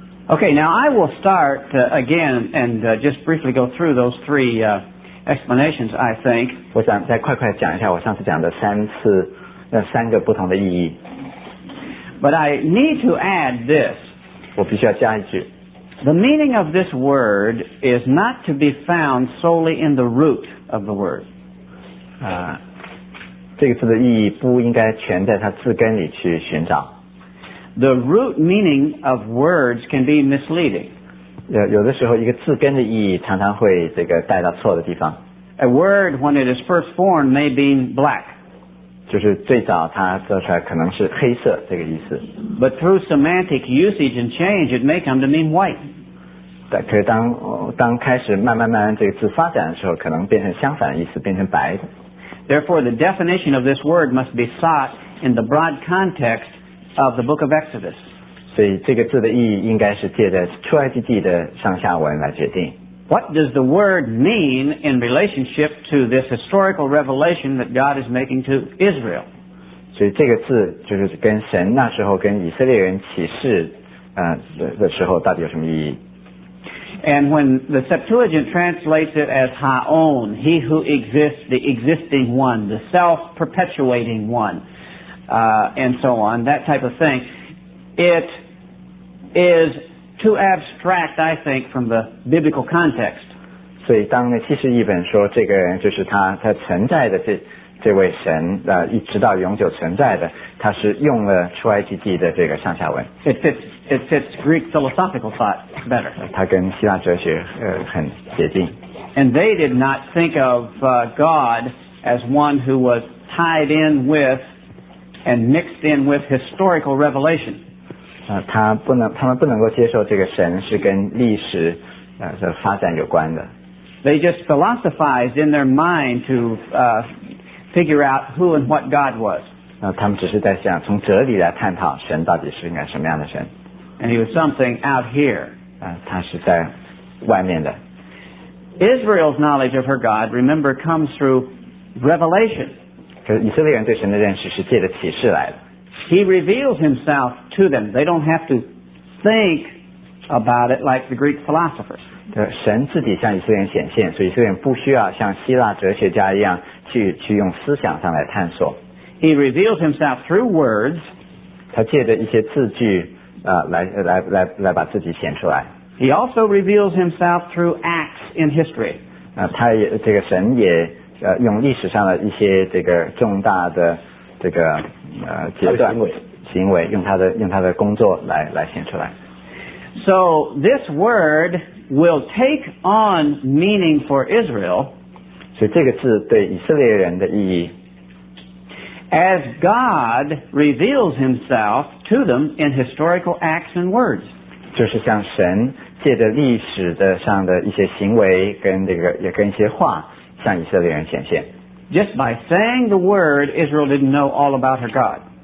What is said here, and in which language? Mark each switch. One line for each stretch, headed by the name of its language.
English: Okay, now I will start again and just briefly go through those three explanations, I think.
Chinese: 我想再快快讲一下我上次讲的三次那三个不同的意义。
English: But I need to add this.
Chinese: 我必须要加一句。
English: The meaning of this word is not to be found solely in the root of the word.
Chinese: 这个字的意义不应该全在它字根里去寻找。
English: The root meaning of words can be misleading.
Chinese: 有的时候一个字根的意义常常会这个带到错的地方。
English: A word when it is first formed may mean black.
Chinese: 就是最早它做出来可能是黑色这个意思。
English: But through semantic usage and change, it may come to mean white.
Chinese: 但可是当开始慢慢这个字发展的时候，可能变成相反的意思，变成白的。
English: Therefore, the definition of this word must be sought in the broad context. Of the book of Exodus.
Chinese: 所以这个字的意义应该是借着出埃及记的上下文来决定。
English: What does the word mean in relationship to this historical revelation that God is making to Israel?
Chinese: 所以这个字就是跟神那时候跟以色列人启示的时候到底有什么意义？
English: And when the Septuagint translates it as Ha'on, he who exists, the existing one, the self-perpetuating one,and so on, that type of thing, it is too abstract, I think, from the biblical context.
Chinese: 所以当那七十一本说这个人就是他存在的这位神一直到永久存在的，他是用了出埃及记的这个上下文。
English: It fits Greek philosophical thought better.
Chinese: 他跟希腊哲学很接近。
English: And they did not think of God as one who was tied in withand mixed in with historical revelation.
Chinese: 他们不能够接受这个神是跟历史的发展有关的。
English: They just philosophized in their mind to figure out who and what God was.
Chinese: 他们只是在想从哲理来探讨神到底是应该什么样的神。
English: And he was something out here.
Chinese: 他是在外面的。
English: Israel's knowledge of her God, remember, comes through revelation.
Chinese: 以色列人对神的认识是借着启示来的。
English: He reveals himself to them. They don't have to think about it like the Greek philosophers.
Chinese: 神自己向以色列人显现，所以以色列人不需要像希腊哲学家一样 去用思想上来探索。
English: He reveals himself through words.
Chinese: 他借着一些字句来把自己显出来。
English: He also reveals himself through acts in history.
Chinese: 他也这个神也用历史上的一些这个重大的这个阶段行为用他的工作来显出来。
English: So this word will take on meaning for Israel.
Chinese: 所以这个字对以色列人的意义。
English: As God reveals himself to them in historical acts and words.
Chinese: 就是像神借着历史的上的一些行为跟这个也跟一些话向以色列人显现。
English: Just by saying the word, Israel didn't know all about her God.